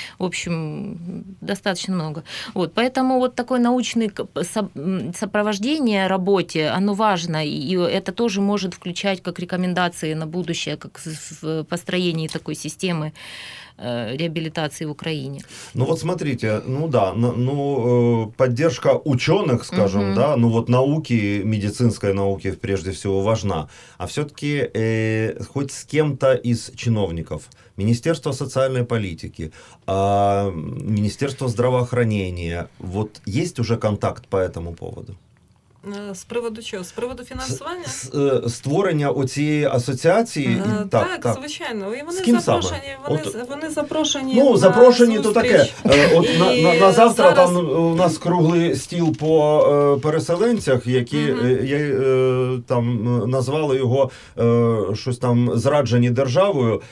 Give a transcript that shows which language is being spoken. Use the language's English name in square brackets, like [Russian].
[Russian] В общем, достаточно много. Вот, поэтому вот такое научное сопровождение работе, оно важно, и это тоже может включать как рекомендации на будущее, как в построении такой системы реабилитации в Украине. Ну вот смотрите, ну да, ну поддержка ученых, скажем, mm-hmm. да, ну вот науки, медицинской науки прежде всего важна. А все-таки хоть с кем-то из чиновников, Министерство социальной политики, Министерство здравоохранения, вот есть уже контакт по этому поводу? [Ukrainian] З приводу чого? З приводу фінансування? Створення оцієї асоціації? Так, звичайно. І вони запрошені. Вони запрошені. Ну, запрошені то таке. От на завтра там у нас круглий стіл по переселенцях, які там назвали його щось там зраджені державою.